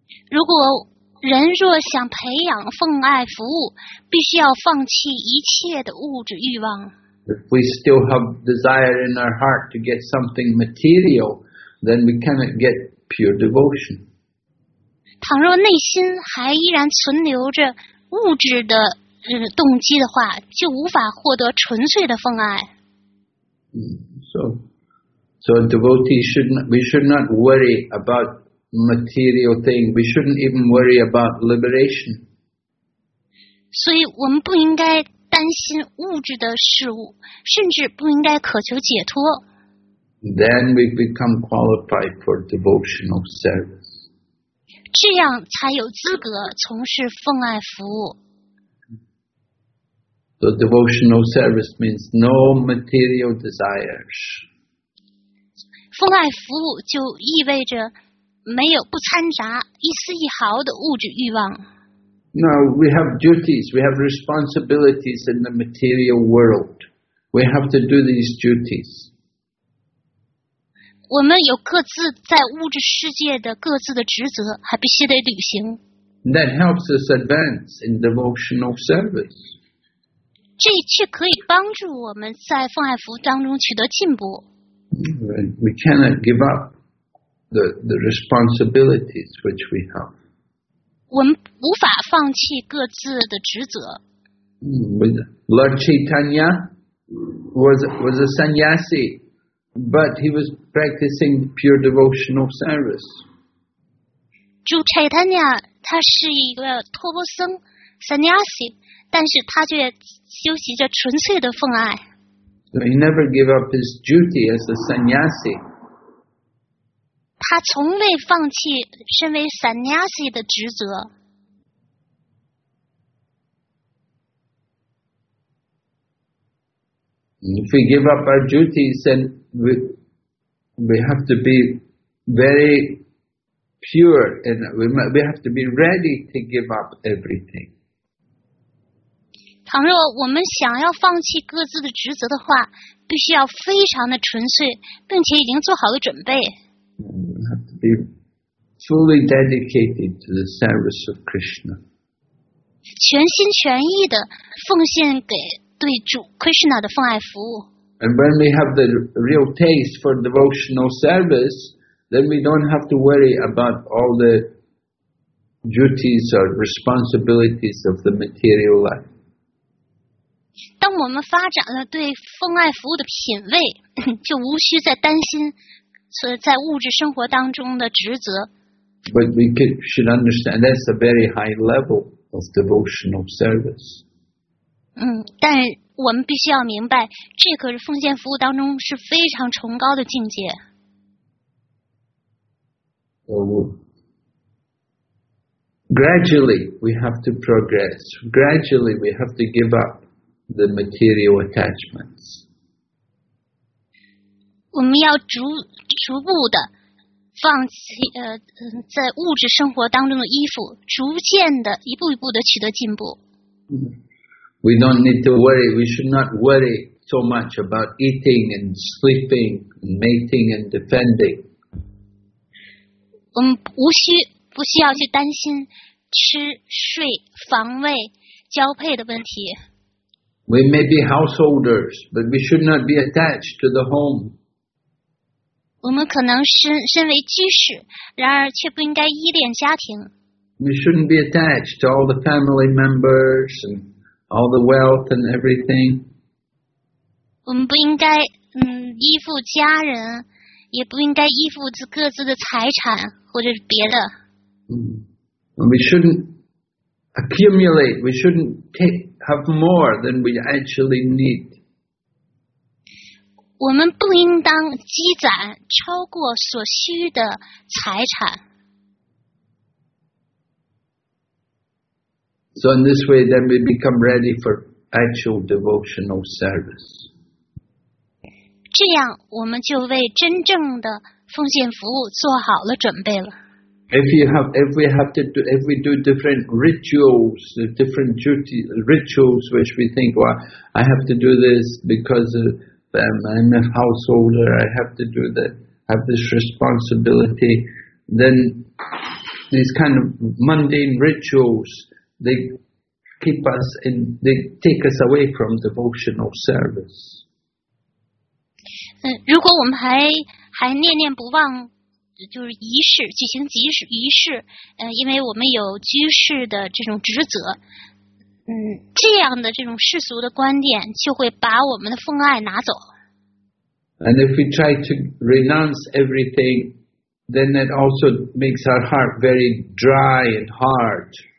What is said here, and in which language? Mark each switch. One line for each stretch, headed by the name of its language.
Chinese: 如果人若想培养奉爱服务，必须要放弃一切的物质欲望。
English: If we still have desire in our heart to get something material, then we cannot get pure devotion.
Chinese: 倘若内心还依然存留着物质的动机的话，就无法获得纯粹的奉爱。
English: So a devotee should not worry about material thing. We shouldn't even worry about liberation.
Chinese: 所以我们不应该担心物质的事物，甚至不应该渴求解脱。
English: Then we become qualified for devotional service.
Chinese: 这样才有资格从事奉爱服务。
English: So devotional service means no material desires.
Chinese: 奉爱服务就意味着没有不掺杂一丝一毫的物质欲望。
English: Now we have duties, we have responsibilities in the material world. We have to do these duties.
Chinese: 我们有各自在物质世界的各自的职责，还必须得履行。
English: That helps us advance in devotional service.
Chinese: 这却可以帮助我们在奉爱服务当中取得进步。
English: We cannot give up the responsibilities which we have.
Chinese: 我们无法放弃各自的职责。
English: Lord Chaitanya was a sannyasi, but he was practicing pure devotional service.
Chinese: 主 Chaitanya 他是一个托钵僧 sannyasi, 但是他却修习着纯粹的奉爱。
English: So he never gave up his duty as a sannyasi.
Chinese: 他从未放弃身为 sannyasi 的职责。
English: If we give up our duties, then we have to be very pure, and we have to be ready to give up everything.
Chinese: 倘若我们想要放弃各自的职责的话，必须要非常的纯粹，并且已经做好了准备。
English: Be fully dedicated to the service of Krishna.
Chinese: 全心全意的奉献给对主 Krishna 的奉爱服务。
English: And when we have the real taste for devotional service, then we don't have to worry about all the duties or responsibilities of the material life.
Chinese: 当我们发展了对奉爱服务的品味，就无需再担心所以在物质生活当中的职责。
English: But we should understand that's a very high level of devotional service.
Chinese: 但我们必须要明白，这可是奉献服务当中是非常崇高的境界。 Oh,
English: gradually we have to progress. Gradually we have to give up the material attachments.
Chinese: 我们要逐步的放弃在物质生活当中的依附，逐渐的一步一步的取得进步。
English: We don't need to worry. We should not worry so much about eating and sleeping, mating and defending.
Chinese: 我们不需要去担心吃睡防卫交配的问题。
English: We may be householders, but we should not be attached to the home.
Chinese: 我们可能身为居士，然而却不应该依恋家庭。
English: We shouldn't be attached to all the family members and all the wealth and everything.
Chinese: 我们不应该依附家人，也不应该依附各自的财产或者是别的。
English: We shouldn't accumulate. We shouldn't have more than we actually need.
Chinese: 我们不应当积攒超过所需的财产。
English: So in this way, then we become ready for actual devotional service.
Chinese: 这样我们就为真正的奉献服务做好了准备了。
English: If we do different rituals, different duty rituals, which we think, well, I have to do this because of them, I'm a householder, I have to do that, have this responsibility, then these kind of mundane rituals, they keep us in, they take us away from devotional service.
Chinese: 如果我们还念念不忘。就是仪式，举行仪式，因为我们有居士的这种职责，这样的这种世俗的观点就会把我们的奉爱拿走。
English: And if we try to renounce everything, then that also makes our heart very dry and hard.